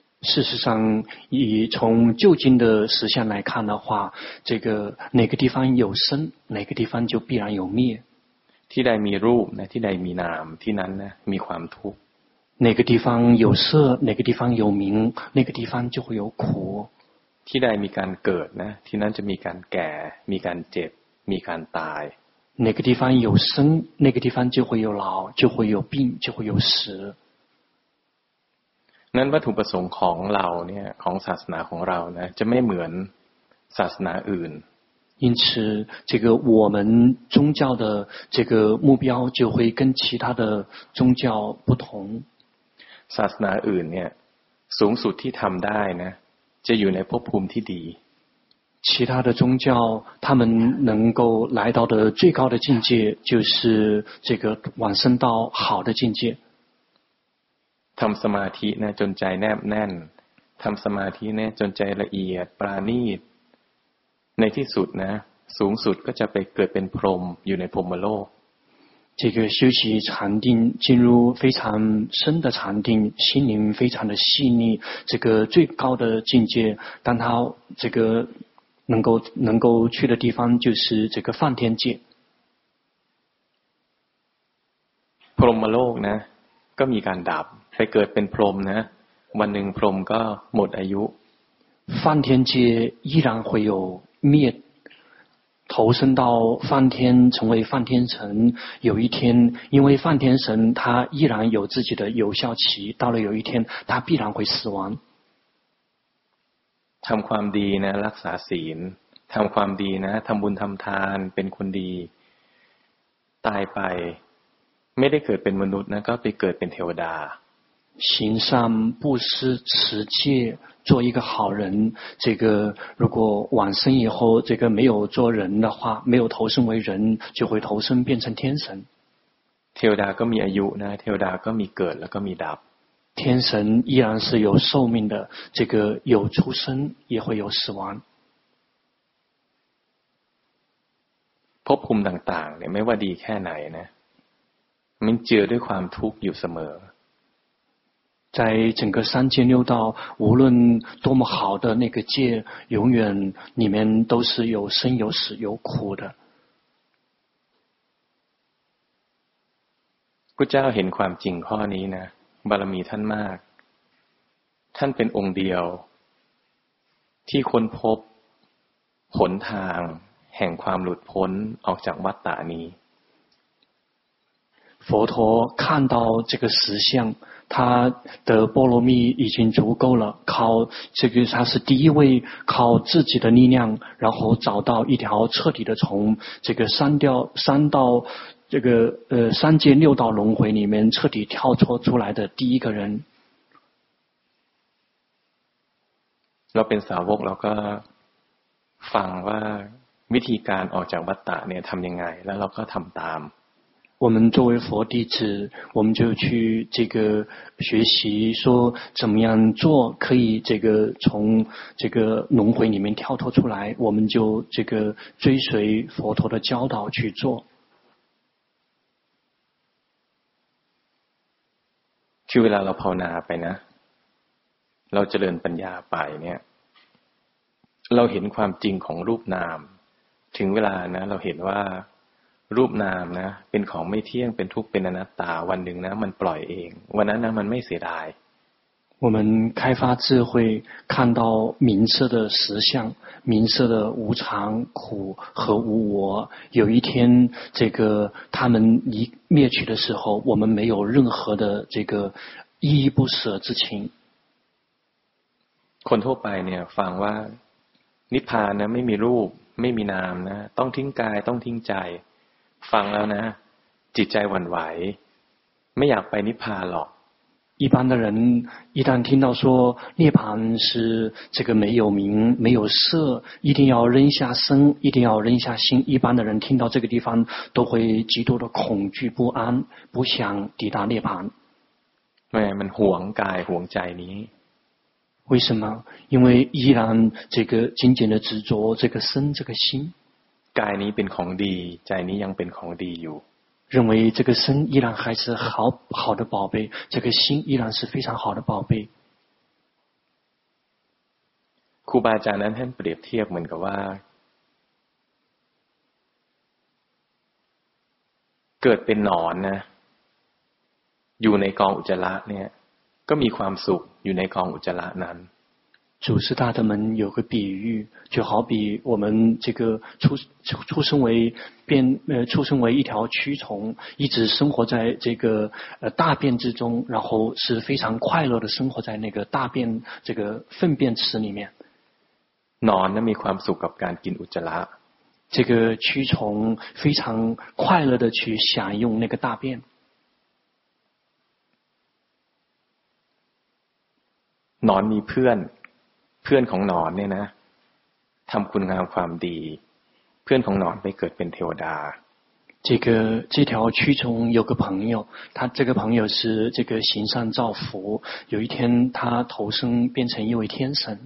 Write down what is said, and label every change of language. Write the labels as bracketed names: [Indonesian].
[Chinese] 事实上以从究竟的实相来看的话这个哪个地方有生哪个地方就必然有灭 [Thai] ที่ใดมีรูปนะที่ใดมีนามที่นั้นนะมีความทุกข์ [Chinese] 哪个地方有色，哪个地方有名，那个地方就会有苦。 [Thai] ที่ใดมีการเกิดนะที่นั้นจะมีการแก่มีการเจ็บมีการตาย [Chinese] 哪个地方有生，那个地方就会有老，就会有病，就会有死。 [Thai] นั้นวัตถุประสงค์ของเราเนี่ยของศาสนาของเรานะจะไม่เหมือนศาสนาอื่น [Chinese] 因此这个我们宗教的这个目标就会跟其他的宗教不同 [Thai] ศาสนาอื่นเนี่ยสูงสุดที่ทำได้นะจะอยู่ในภพภูมิที่ดี [Chinese] 其他的宗教他们能够来到的最高的境界就是这个往生到好的境界 [Thai] ทำสมาธินะจนใจแนบแน่นทำสมาธินะจนใจละเอียดปราณีตในที่สุดนะสูงสุดก็จะไปเกิดเป็นพรหมอยู่ในพรหมโลก [Chinese] 这个修习禅定进入非常深的禅定心灵非常的细腻这个最高的境界当他这个能够去的地方就是这个梵天界 [Thai] พรหมโลกนะก็มีการดับไปเกิดเป็นพรหมนะวันหนึ่งพรหมก็หมดอายุ [Chinese] 梵天界依然会有灭投身到梵天成为梵天神有一天因为梵天神他依然有自己的有效期到了有一天他必然会死亡 [Thai] ทำความดีนะรักษาศีลทำความดีนะทำบุญทำทานเป็นคนดีตายไปไม่ได้เกิดเป็นมนุษย์นะก็ไปเกิดเป็นเทวดา [Chinese] 行善布施持戒做一个好人这个如果往生以后这个没有做人的话没有投身为人就会投身变成天神天神依然是有寿命的这个有出生也会有死亡 [Thai] ภพภูมิต่างๆเนี่ยไม่ว่าดีแค่ไหนนะมันเจอด้วยความทุกข์อยู่เสมอ [Chinese] 在整个三界六道无论多么好的那个界永远里面都是有生有死有苦的 [Thai] พุทธเจ้าเห็นความจริงข้อนี้นะบารมีท่านมากท่านเป็นองค์เดียวที่ค้นพบหนทางแห่งความหลุดพ้นออกจากวัฏฏานี้ [Chinese] 佛陀看到这个实相他的波罗蜜已经足够了靠这个他是第一位靠自己的力量然后找到一条彻底的从这个三界六道轮回里面彻底跳脱出来的第一个人 [Thai] เราเป็นสาวกเราก็ฟังว่าวิธีการออกจากวัฏฏะเนี่ยทำยังไงแล้วเราก็ทำตาม [Chinese] 我们作为佛弟子我们就去这个学习说怎么样做可以这个从这个轮回里面跳脱出来我们就这个追随佛陀的教导去做 [Thai] คือเวลาเราภาวนาไปนะเราเจริญปัญญาไปเนี่ยเราเห็นความจริงของรูปนามถึงเวลานะเราเห็นว่ารูปนามนะเป็นของไม่เที่ยงเป็นทุกข์เป็นอนัตตาวันหนึ่งนะมันปล่อยเองวันนั้นนะมันไม่เสียดาย [Chinese] 我们开发智慧看到名色的实相名色的无常苦和无我有一天这个他们一灭去的时候我们没有任何的这个依依不舍之情 [Thai] คนทั่วไปเนี่ยฟังว่านิพพานนะไม่มีรูปไม่มีนามนะต้องทิ้งกายต้องทิ้งใจฟังแล้วนะจิตใจหวั่นไหวไม่อยากไปนิพพานหรอก [Chinese] 一般的人一旦听到说涅槃是这个没有名没有色一定要扔下身一定要扔下心一般的人听到这个地方都会极度的恐惧不安不想抵达涅槃对 [Thai] มันห่วงกายห่วงใจนี้ [Chinese] 为什么因为依然这个紧紧的执着这个身这个心 [Thai] กายนี้เป็นของดีใจนี้ยังเป็นของดีอยู่ [Chinese] 认为这个身依然还是好好的宝贝这个心依然是非常好的宝贝 [Thai] ครูบาอาจารย์นั้นท่านเปรียบเทียบเหมือนกับว่าเกิดเป็นหนอนนะ อยู่ในกองอุจจาระเนี่ยก็มีความสุขอยู่ในกองอุจจาระนั้น [Chinese] 祖师大德们有个比喻，就好比我们这个出生为一条蛆虫，一直生活在这个大便之中，然后是非常快乐的生活在那个大便这个粪便池里面。 [Thai] นอนนั้นมีความสุขกับการกินอุจจาระ。 [Chinese] 这个蛆虫非常快乐的去享用那个大便。 [Thai] นอนมีเพื่อนเพื่อนของหนอนเนี่ยนะทำคุณงามความดีเพื่อนของหนอนไปเกิดเป็นเทวดา [Chinese] 这个这条蛆虫有个朋友他这个朋友是这个行善造福有一天他投生变成一位天神